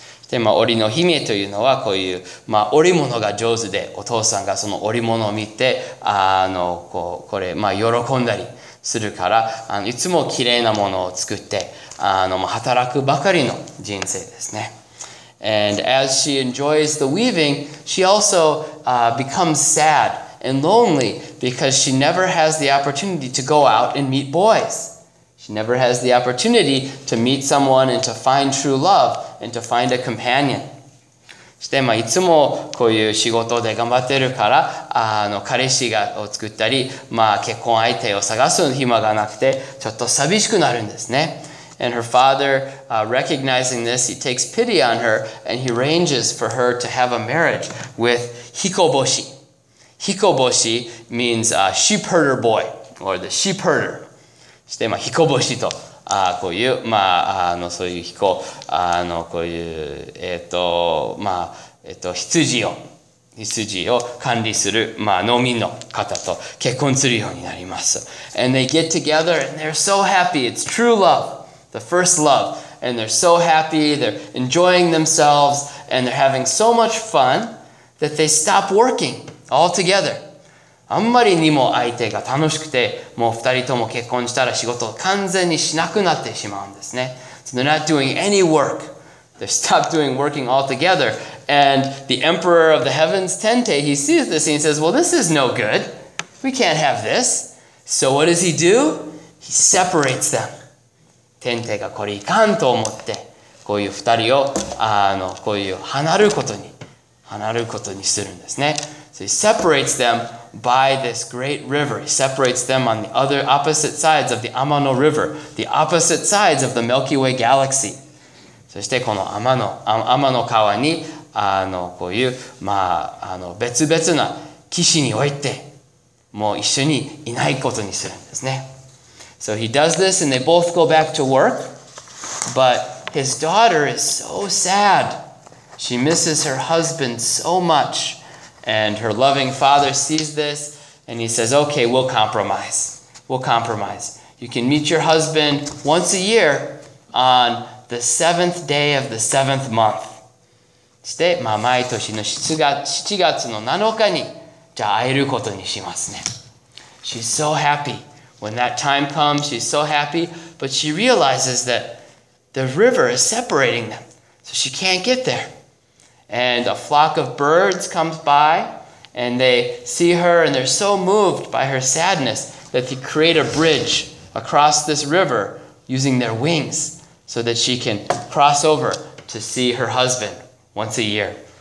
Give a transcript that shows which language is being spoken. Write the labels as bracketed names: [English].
[Japanese] でまあ、織の姫というのはこういう、まあ、織物が上手で、お父さんがその織物を見て、これ、まあ、喜んだりするから、いつも綺麗なものを作って、働くばかりの人生ですね。 [English] And as she enjoys the weaving, she also becomes sad and lonely because she never has the opportunity to go out and meet boys. She never has the opportunity to meet someone and to find true love. And to find a companion. [Japanese] して、まあ、いつもこういう仕事で頑張ってるから、彼氏がを作ったり、まあ、結婚相手を探す暇がなくて、ちょっと寂しくなるんですね。 [English] And her father, recognizing this, he takes pity on her, and he arranges for her to have a marriage with Hikoboshi. Hikoboshi means a sheep herder boy, or the sheep herder. [Japanese] して、まあ、Hikoboshi と。こういう、まあ、そういう彦、こういう、まあ、羊を管理する、まあ、農民の方と結婚するようになります。 [English] And they get together and they're so happy. It's true love, the first love. And they're so happy, they're enjoying themselves, and they're having so much fun that they stop working altogether. [Japanese] あんまりにも相手が楽しくて、もう二人とも結婚したら仕事を完全にしなくなってしまうんですね。 [English] So they're not doing any work. They stop doing working altogether And the emperor of the heavens, Tente, he sees this and he says, well, this is no good. We can't have this. So what does he do? He separates them. [Japanese] Tente がこれいかんと思って、こういう二人を、こういう離ることにするんですね。 [English] So he separates them by this great river. He separates them on the other opposite sides of the Amano River, the opposite sides of the Milky Way galaxy. [Japanese] そしてこの天の川に、こういう、まあ、別々な騎士において、もう一緒にいないことにするんですね。 [English] So he does this and they both go back to work. But his daughter is so sad. She misses her husband so much. And her loving father sees this and he says, okay, we'll compromise. We'll compromise. You can meet your husband once a year on the seventh day of the seventh month. [Japanese] そして、まあ、毎年の7月の7日にじゃあ会えることにしますね。 [English] She's so happy. When that time comes, she's so happy. But she realizes that the river is separating them. So she can't get there. And a flock of birds comes by. And they see her. And they're so moved by her sadness that they create a bridge across this river using their wings so that she can cross over to see her husband once a year.